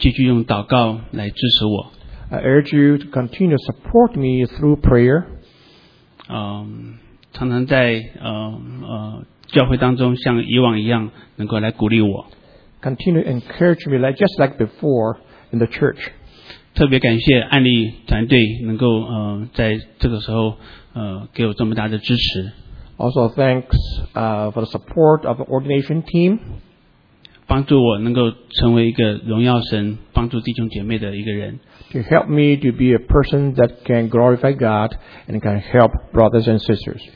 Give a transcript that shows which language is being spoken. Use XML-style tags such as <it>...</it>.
<zh>将来我不论去到什么地方求各位弟兄姐妹继续用祷告来支持我。</zh> <en>I urge you to continue to support me through prayer.</en> <zh>常常在教会当中像以往一样能够来鼓励我。</zh> <en>Continue to encourage me like just like before in the church.</en> <zh>特别感谢案例团队能够在这个时候给我这么大的支持。</zh> <en>Also thanks for the support of the ordination team.</en> <zh>帮助我能够成为一个荣耀神帮助弟兄姐妹的一个人。</zh> <en>To help me to be a person that can glorify God and can help brothers and sisters.</en>